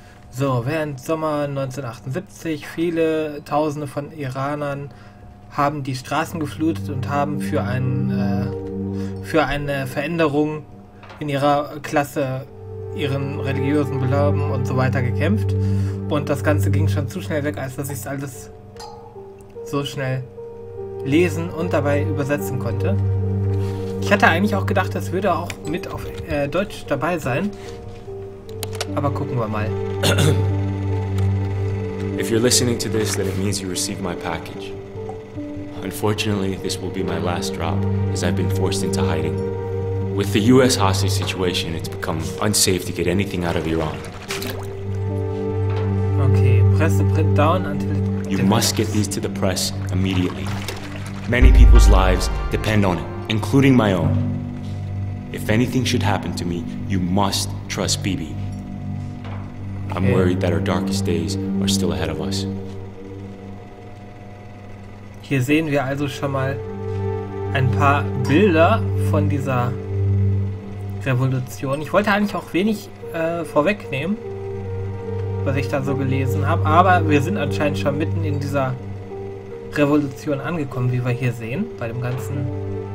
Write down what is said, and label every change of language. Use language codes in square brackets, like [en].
[de] So, während Sommer 1978 viele Tausende von Iranern haben die Straßen geflutet und haben für eine Veränderung in ihrer Klasse, ihren religiösen Glauben und so weiter gekämpft. Und das Ganze ging schon zu schnell weg, als dass ich es alles so schnell lesen und dabei übersetzen konnte. Ich hatte eigentlich auch gedacht, das würde auch mit auf Deutsch dabei sein. Aber gucken wir mal. [en] If you're listening to this, then it means you received my package. Unfortunately, this will be my last drop, as I've been forced into hiding. With the US hostage situation, it's become unsafe to get anything out of Iran. Okay, press the print down until... You must get these to the press immediately. Many people's lives depend on it, including my own. If anything should happen to me, you must trust Bibi. I'm worried that our darkest days are still ahead of us. [de] Hier sehen wir also schon mal ein paar Bilder von dieser Revolution. Ich wollte eigentlich auch wenig vorwegnehmen, was ich da so gelesen habe, aber wir sind anscheinend schon mitten in dieser Revolution angekommen, wie wir hier sehen, bei dem ganzen...